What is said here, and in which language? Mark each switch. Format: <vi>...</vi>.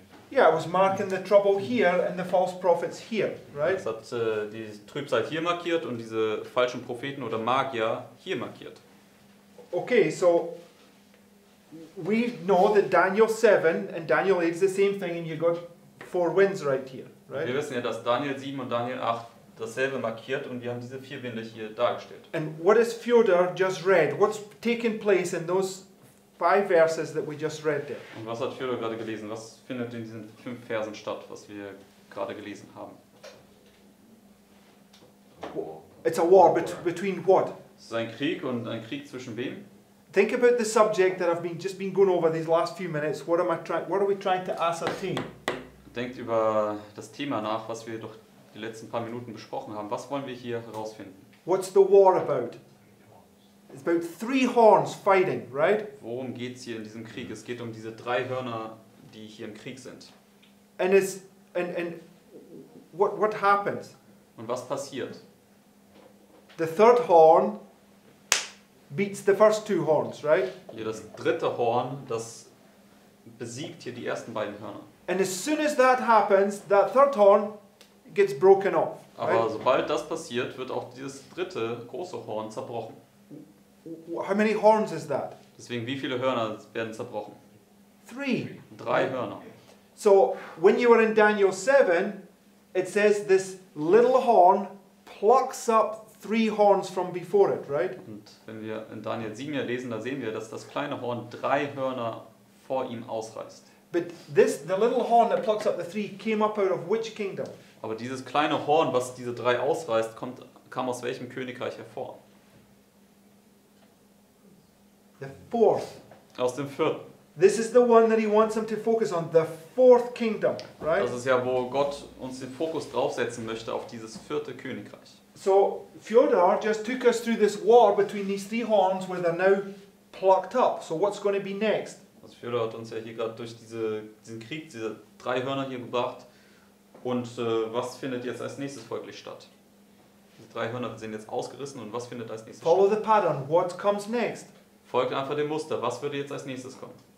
<en>Yeah, it was marking the trouble here and the false prophets here, right?</en> <de>Es hat die Trübsal hier markiert und diese falschen Propheten oder Magier hier markiert.</de> <en>Okay, so we know that Daniel 7 and Daniel 8 is the same thing and you got four winds right here. Right?</en> <de>Wir wissen ja, dass Daniel 7 und Daniel 8 dasselbe markiert und wir haben diese vier Winde hier dargestellt.</de> <en>And what is Fyodor just read? What's taking place in those five verses that we just read there?</en> <de>Und was hat Fyodor gerade gelesen? Was findet in diesen fünf Versen statt, was wir gerade gelesen haben?</de> <en>It's a war between what?</en> <de>Es ist ein Krieg und ein Krieg zwischen wem?</de> <en>Think about the subject that I've just been going over these last few minutes. What are we trying to ascertain?</en> <de>Denkt über das Thema nach, was wir doch die letzten paar Minuten besprochen haben. Was wollen wir hier herausfinden?</de> <en>What's the war about? It's about three horns fighting, right?</en> <de>Worum geht's hier in diesem Krieg? Es geht um diese drei Hörner, die hier im Krieg sind.</de> <en>And it's and what happens?</en> <de>Und was passiert?</de> <en>The third horn beats the first two horns, right?</en> <de>Hier das dritte Horn, das besiegt hier die ersten beiden Hörner.</de> <en>And as soon as that happens, that third horn gets broken off.</en> <de>Aber</de> <en>right?</en> <de>Sobald das passiert, wird auch dieses dritte große Horn zerbrochen.</de> <en>How many horns is that?</en> <de>Deswegen, wie viele Hörner werden zerbrochen?</de> <en>three.</en> <de>Drei Hörner.</de> <en>So when you are in Daniel 7, it says this little horn plucks up three horns from before it, right?</en> <de>Und wenn wir in Daniel 7 ja lesen, da sehen wir, dass das kleine Horn drei Hörner vor ihm ausreißt.</de> <en>But this, the little horn that plucks up the three, came up out of which kingdom?</en> <de>Aber dieses kleine Horn, was diese drei ausreißt, kam aus welchem Königreich hervor?</de> <en>The fourth.</en> <de>Aus dem vierten.</de> <en>This is the one that he wants them to focus on, the fourth kingdom, right?</en> <de>Das ist ja, wo Gott uns den Fokus draufsetzen möchte, auf dieses vierte Königreich.</de> <en>So, Fjodor just took us through this war between these three horns where they're now plucked up. So what's going to be next?</en> <de>Also Fjodor hat uns ja hier gerade durch diesen Krieg, diese drei Hörner hier gebracht. Und was findet jetzt als nächstes folglich statt? Diese drei Hörner sind jetzt ausgerissen und was findet als nächstes</de> <en>Follow</en> <de>statt?</de> <en>The pattern, what comes next?</en> <de>Folgt einfach dem Muster, was würde jetzt als nächstes kommen?</de>